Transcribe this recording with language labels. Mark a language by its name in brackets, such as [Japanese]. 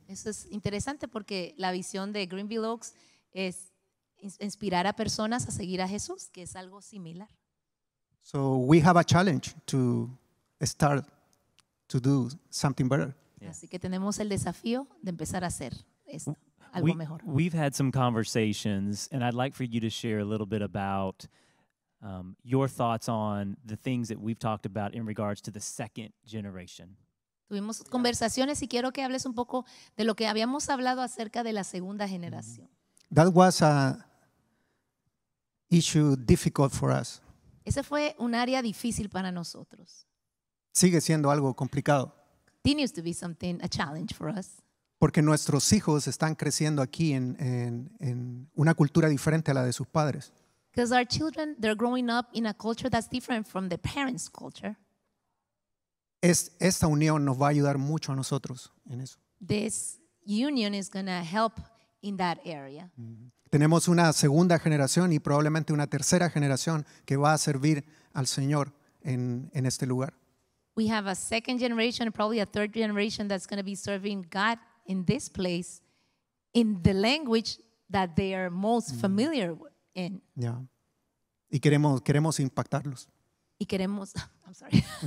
[Spanish] Eso es interesante porque la visión de Greenville Oaks es inspirar a personas a seguir a Jesús, que es algo similar. [English] So we have a challenge to start to do something better. Yeah. [Spanish] Así que tenemos el desafío de empezar a hacer esto, algo mejor. [English] We've had some conversations, and I'd like for you to share a little bit about your thoughts on the things that we've talked about in regards to the second generation. [Spanish] Tuvimos conversaciones y quiero que hables un poco de lo que habíamos hablado acerca de la segunda generación. [English] That was a issue difficult for us. [Spanish] Ese fue un área difícil para nosotros. Sigue siendo algo complicado. [English] Continues to be something, a challenge for us. [Spanish] Porque nuestros hijos están creciendo aquí en una cultura diferente a la de sus padres. [English] Because our children, they're growing up in a culture that's different from the parents' culture. [Spanish] Esta unión nos va a ayudar mucho a nosotros en eso. [English] This union is going to help in that area. [Spanish] Tenemos una segunda generación y probablemente una tercera generación que va a servir al Señor en este lugar. [English] We have a second generation, probably a third generation that's going to be serving God in this place in the language that they are most familiar with. [Spanish] Yeah. Y queremos impactarlos. Y queremos, [English] I'm sorry.